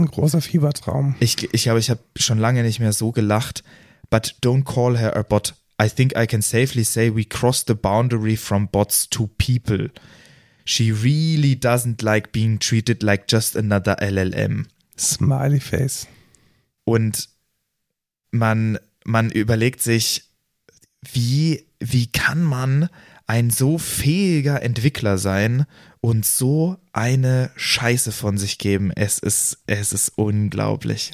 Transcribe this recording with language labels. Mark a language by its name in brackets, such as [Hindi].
[German] ein großer Fiebertraum. Ich habe schon lange nicht mehr so gelacht. [English] But don't call her a bot. I think I can safely say we crossed the boundary from bots to people. She really doesn't like being treated like just another LLM. Smiley face. [German] Und man überlegt sich, wie kann man ein so fähiger Entwickler sein und so eine Scheiße von sich geben? Es ist unglaublich.